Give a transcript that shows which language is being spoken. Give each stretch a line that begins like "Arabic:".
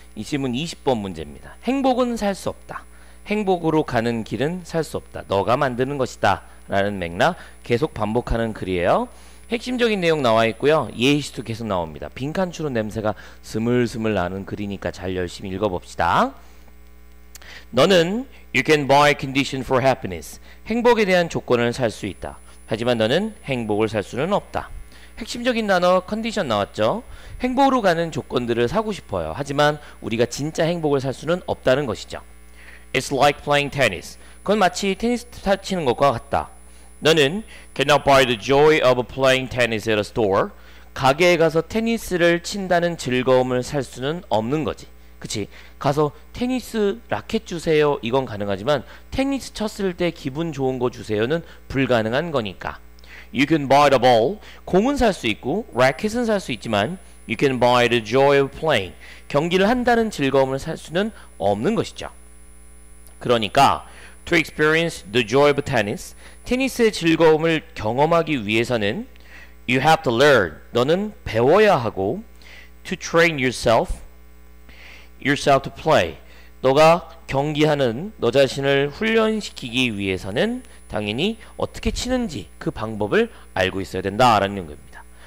Korean: 이 질문 20번 문제입니다. 행복은 살 수 없다. 행복으로 가는 길은 살 수 없다. 너가 만드는 것이다. 라는 맥락 계속 반복하는 글이에요. 핵심적인 내용 나와 있고요. 예시도 계속 나옵니다. 빈칸 추론 냄새가 스물스물 나는 글이니까 잘 열심히 읽어봅시다. 너는
English: You can buy condition for happiness.
Korean: 행복에 대한 조건을 살 수 있다. 하지만 너는 행복을 살 수는 없다. 핵심적인 단어 컨디션 나왔죠. 행복으로 가는 조건들을 사고 싶어요. 하지만 우리가 진짜 행복을 살 수는 없다는 것이죠.
English: It's like playing tennis.
Korean: 그건 마치 테니스 치는 것과 같다. 너는
English: cannot buy the joy of playing tennis at a store.
Korean: 가게에 가서 테니스를 친다는 즐거움을 살 수는 없는 거지. 그치? 가서 테니스 라켓 주세요 이건 가능하지만 테니스 쳤을 때 기분 좋은 거 주세요는 불가능한 거니까.
English: You can buy the ball.
Korean: 공은 살 수 있고 라켓은 살 수 있지만
English: You can buy the joy of playing.
Korean: 경기를 한다는 즐거움을 살 수는 없는 것이죠. 그러니까
English: To experience the joy of tennis.
Korean: 테니스의 즐거움을 경험하기 위해서는
English: You have to learn.
Korean: 너는 배워야 하고
English: To train yourself. Yourself to play.
Korean: 너가 경기하는 너 자신을 훈련시키기 위해서는 당연히 어떻게 치는지 그 방법을 알고 있어야 된다라는 겁니다.